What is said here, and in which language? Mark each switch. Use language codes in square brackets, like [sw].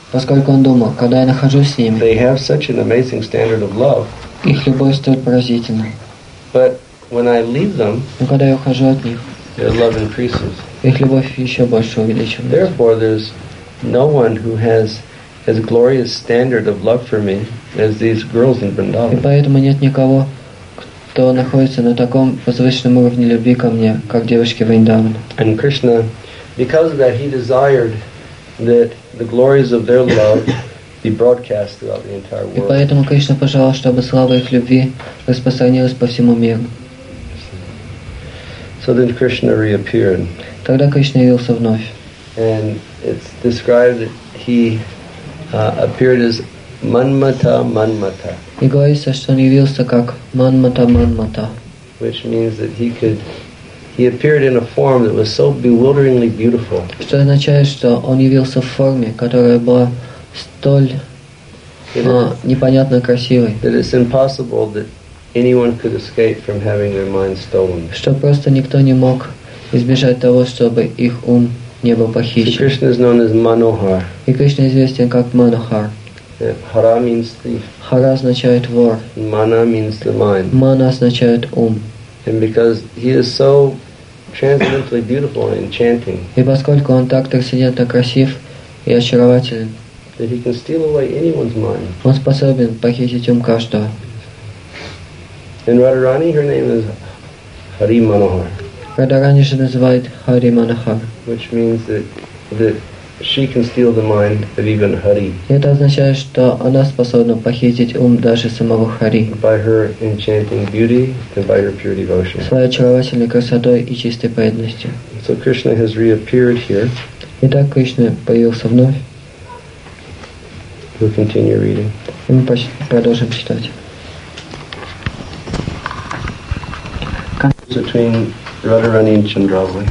[ru] поскольку он думал, когда я нахожусь с ними, [en] they have such an amazing standard of love. [ru] Их любовь столь поразительна. [en] But when I leave them, [ru] но когда я ухожу от них, [en] their love increases. [ru] Их любовь еще больше увеличивается. [en] Therefore, there's no one who has as glorious standard of love for me as these girls in Vrindavan. [ru] И поэтому нет никого, кто находится на таком возвышенном уровне любви ко мне, как девушки Вриндаван. [en] And Krishna, because of that, he desired that the glories of their love be broadcast throughout the entire world. [ru] И поэтому Кришна пожелал, чтобы слава их любви распространилась по всему миру. [en] So then Krishna reappeared. [ru] Тогда Кришна явился вновь. [en] And it's described that he appeared as Manmata Manmata. [ru] И говорится, что он явился как Манмата Манмата. [en] Which means that he appeared in a form that was so bewilderingly beautiful. [ru] Что означает, что он явился в форме, которая была столь непонятно красивой. [en] That it's impossible that anyone could escape from having their mind stolen. [ru] Что просто никто не мог избежать того, чтобы их ум не был похищен. [en] So Krishna is known as Manohar. [ru] И Кришна известен как Манохар. [en] Hara means thief. [ru] Hara означает вор. [en] Mana means the mind. [ru] Mana означает ум. [en] And because he is so transcendently beautiful and enchanting. [ru] И поскольку он так трансцендентно красив и очарователен. [en] That he can steal away anyone's mind. [ru] Он способен похитить ум каждого. [en] And Radharani, her name is Hari Manohar. [ru] Радхарани же называет Хари Манохар. [en] Which means that she can steal the mind of even Hari. [ru] Это означает, что она способна похитить ум даже самого Хари. [en] By her enchanting beauty and by her pure devotion. [ru] Своей очаровательной красотой и чистой преданностью. [en] So Krishna has reappeared here. [ru] Итак, Кришна появился вновь. [en] We'll continue reading. [ru] И мы продолжим читать. [en] Between Radharani and Chandravali.